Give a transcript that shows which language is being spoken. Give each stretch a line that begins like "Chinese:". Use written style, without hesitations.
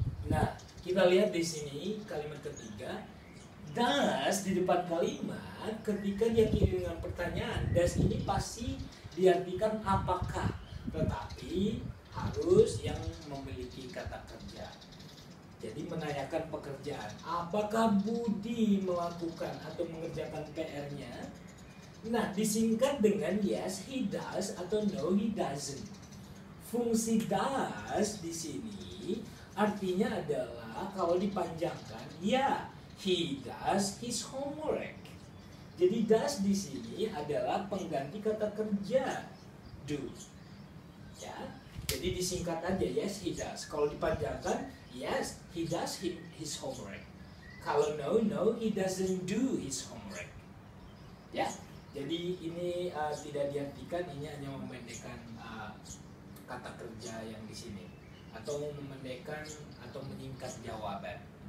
Indonesian: Nah, kita lihat di sini kalimat ketiga, does di depan kalimat ketika diakhiri dengan pertanyaan, does ini pasti diartikan apakah, tetapi harus yang memiliki kata kerja. Jadi menanyakan pekerjaan. Apakah Budi melakukan atau mengerjakan PR-nya? Nah, disingkat dengan
English: yes he does
Indonesian: atau
English: no he doesn't.
Indonesian: Fungsi does di sini artinya adalah kalau dipanjangkan, ya,
English: he does his homework.
Indonesian: Jadi does di sini adalah pengganti kata kerja do. Ya. Jadi disingkat aja,
English: yes he does.
Indonesian: Kalau dipanjangkan,
English: yes he does his homework.
Indonesian: Kalau no,
English: no he doesn't do his homework.
Indonesian: Ya, Jadi ini tidak diartikan ini hanya memendekkan kata kerja yang di sini atau memendekkan atau meningkat jawaban.